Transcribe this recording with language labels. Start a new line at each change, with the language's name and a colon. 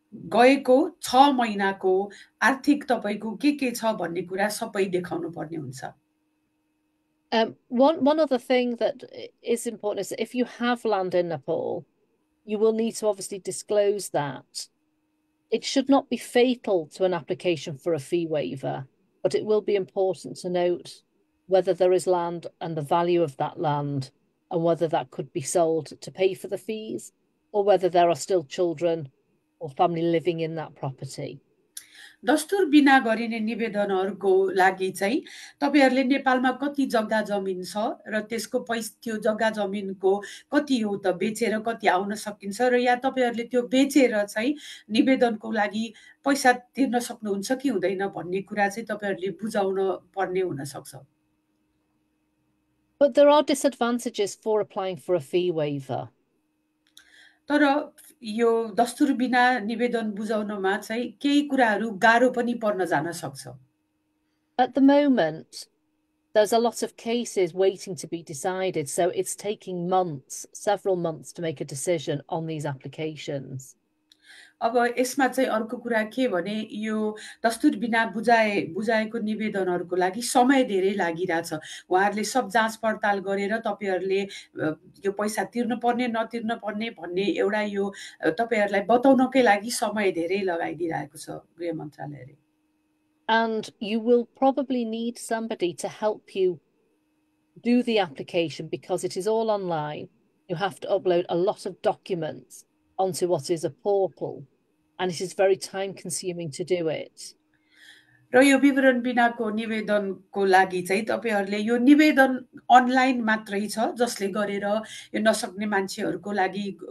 Nepali: गएको 6 महिनाको आर्थिक तपाईँको के छ भन्ने कुरा सबै देखाउनु पर्ने हुन्छ।
English: One other thing that is important is that if you have land in Nepal, you will need to obviously disclose that. It should not be fatal to an application for a fee waiver, but it will be important to note whether there is land and the value of that land. And whether that could be sold to pay for the fees, or whether there are still children or family living in that property.
Nepali: दस्तुर बिना गरिने निवेदनहरूको लागि चाहिँ तपाईँहरूले नेपालमा कति जग्गा जमिन छ र त्यसको पैसा त्यो जग्गा जमिनको कति हो त बेचेर कति आउन सकिन्छ र या तपाईँहरूले त्यो बेचेर चाहिँ निवेदनको लागि पैसा तिर्न सक्नुहुन्छ कि हुँदैन भन्ने कुरा चाहिँ तपाईँहरूले बुझाउन पर्ने हुनसक्छ।
English: But there are disadvantages for applying for a fee waiver.
Nepali: तर यो दस्तुर बिना निवेदन बुझाउनमा चाहिँ केही कुराहरू गाह्रो पनि पर्न जान सक्छ।
English: At the moment, there's a lot of cases waiting to be decided, so it's taking months, several months, to make a decision on these applications.
Nepali: अब यसमा चाहिँ अर्को कुरा के भने यो दस्तुर बिना बुझाएको निवेदनहरूको लागि समय धेरै लागिरहेछ। उहाँहरूले सब जाँच पडताल गरेर तपाईँहरूले यो पैसा तिर्नुपर्ने नतिर्नुपर्ने भन्ने एउटा यो तपाईँहरूलाई बताउनकै लागि समय धेरै लगाइदिइरहेको छ गृह मन्त्रालयले।
English: And you will probably need somebody to help you do the application because it is all online. You have to upload a lot of documents onto what is a portal, and it is very time consuming to do it.
Nepali: र यो विवरण बिनाको निवेदनको लागि चाहिँ तपाईँहरूले यो निवेदन online मात्रै छ जसले गरेर यो नसक्ने मान्छेहरूको लागि